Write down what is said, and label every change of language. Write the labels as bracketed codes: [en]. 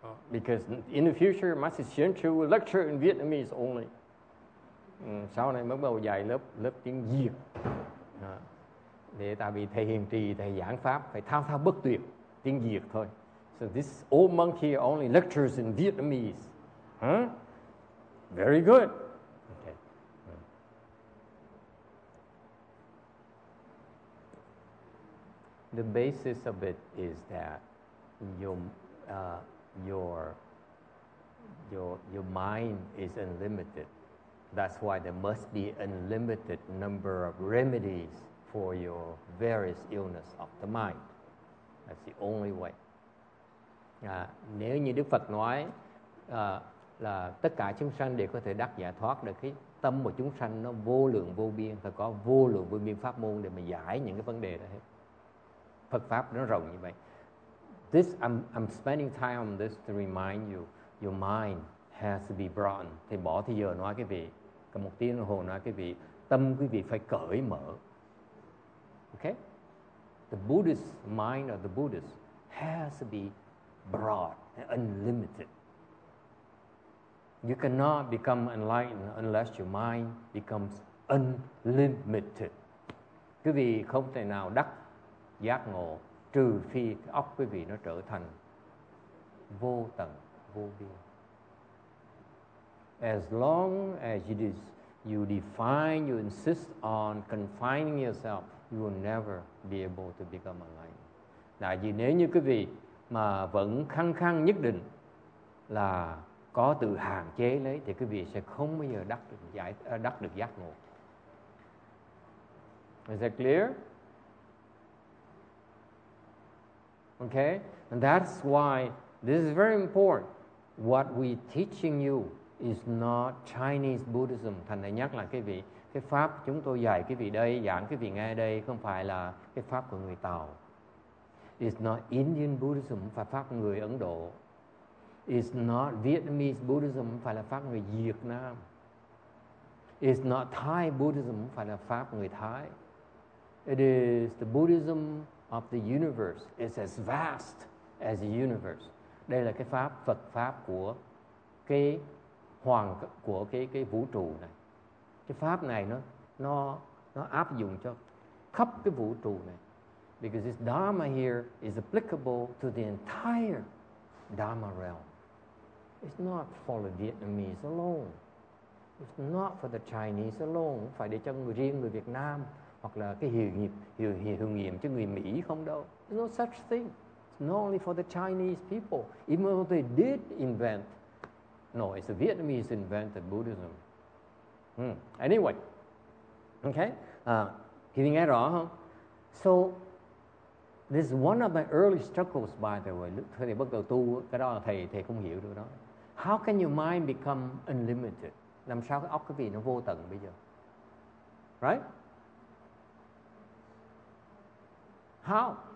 [en] Because in the future, Master Xuyên Chu will lecture in Vietnamese only. [vi] Sau này mới bầu dạy lớp tiếng Việt. Để tại vì thầy hiền trì, thầy giảng pháp, phải thao thao bất tuyệt tiếng Việt thôi. [en] So this old monk here only lectures in Vietnamese. Very good. The basis of it is that your mind is unlimited. That's why there must be unlimited number of remedies for your various illness of the mind. That's the only way. [vi] Nếu như Đức Phật nói là tất cả chúng sanh đều có thể đắc giải thoát được, cái tâm của chúng sanh nó vô lượng vô biên, phải có vô lượng vô biên pháp môn để mà giải những cái vấn đề đó hết. Phật pháp nó rộng như vậy. [en] This I'm spending time on this to remind you, your mind has to be broadened. [vi] Thì bỏ thì giờ nói cái vị, cần một tiếng đồng hồ nói cái vị, tâm quý vị phải cởi mở. [en] Okay? The Buddhist mind of the Buddhist has to be broad, unlimited. You cannot become enlightened unless your mind becomes unlimited. [vi] Quý vị không thể nào đắc giác ngộ trừ phi cái óc quý vị nó trở thành vô tận vô biên. [en] As long as it is, you define, you insist on confining yourself, you will never be able to become enlightened. [vi] Tại vì nếu như quý vị mà vẫn khăng khăng nhất định là có tự hạn chế lấy thì quý vị sẽ không bao giờ đắc được giác ngộ. [en] Is that clear? Okay, and that's why this is very important. What we teaching you is not Chinese Buddhism. [vi] Thành ra nhắc là quý vị, cái pháp chúng tôi dạy quý vị đây, giảng quý vị nghe đây không phải là cái pháp của người Tàu. [en] It's not Indian Buddhism, [vi] phải pháp người Ấn Độ. [en] It's not Vietnamese Buddhism, [vi] phải là pháp người Việt Nam. [en] It's not Thai Buddhism, [vi] phải là pháp người Thái. [en] It is the Buddhism of the universe. It's as vast as the universe. [vi] Đây là cái pháp Phật pháp của cái hoàng của cái vũ trụ này. Cái pháp này nó áp dụng cho khắp cái vũ trụ này. [en] Because this Dharma here is applicable to the entire Dharma realm. It's not for the Vietnamese alone. It's not for the Chinese alone. [vi] Phải để cho người riêng người Việt Nam hoặc là cái hiệu nghiệm cho người Mỹ không đâu. [en] There's no such thing. It's not only for the Chinese people. Even though they did invent. No, it's the Vietnamese invented Buddhism. Anyway. Okay. [vi] Thì nghe rõ không? [en] So, this is one of my early struggles, by the way. [vi] Thầy bắt đầu tu, cái đó là thầy không hiểu được đó. [en] How can your mind become unlimited? [vi] Làm sao cái óc cái vị nó vô tận bây giờ? [en] Right? How?